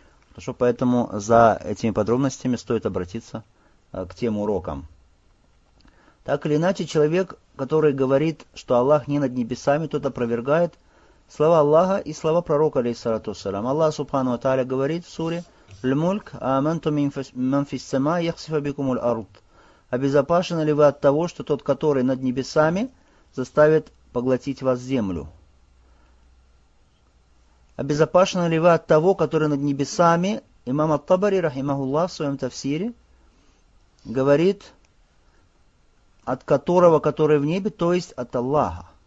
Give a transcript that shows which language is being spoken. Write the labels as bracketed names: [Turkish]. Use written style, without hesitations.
[Russian] Хорошо, поэтому за этими подробностями стоит обратиться к тем урокам. Так или иначе, человек, который говорит, что Аллах не над небесами, тот опровергает слова Аллаха и слова пророка, алейхиссалату вассалям. Аллах, субхану ва тааля, говорит в суре [Arabic] الملك آمنت من في السماء يخسف بكم الأرض. [Russian] Обезопасены ли вы от того, что тот, который над небесами, заставит поглотить вас землю? Обезопасены ли вы от того, который над небесами? Имам ат-Табари, рахимахуллах, в своем тафсире говорит, от которого, который в небе, то есть от Аллаха.